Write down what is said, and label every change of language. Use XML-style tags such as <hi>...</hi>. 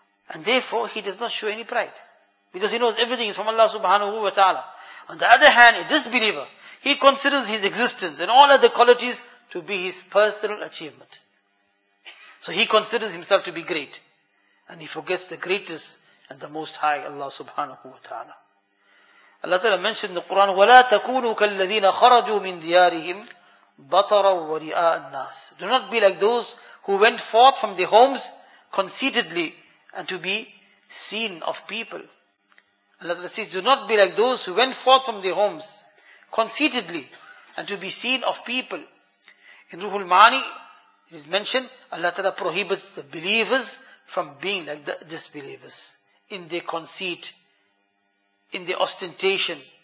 <en>And therefore, he does not show any pride. Because he knows everything is from Allah subhanahu wa ta'ala. On the other hand, a disbeliever, he considers his existence and all other qualities to be his personal achievement. So he considers himself to be great. And he forgets the greatest and the most high, Allah subhanahu wa ta'ala. Allah ta'ala mentioned in the Quran,</en> <ar>وَلَا تَكُونُوا كَالَّذِينَ خَرَجُوا مِنْ دِيَارِهِمْ بَطَرًا وَرِئَاءَ النَّاسِ.</ar> <en>Do not be like those who went forth from their homes conceitedly and to be seen of people. Allah ta'ala says, do not be like those who went forth from their homes conceitedly and to be seen of people. In Ruhul Maani, it is mentioned, Allah ta'ala prohibits the believers from being like the disbelievers in their conceit, in their ostentation.</en>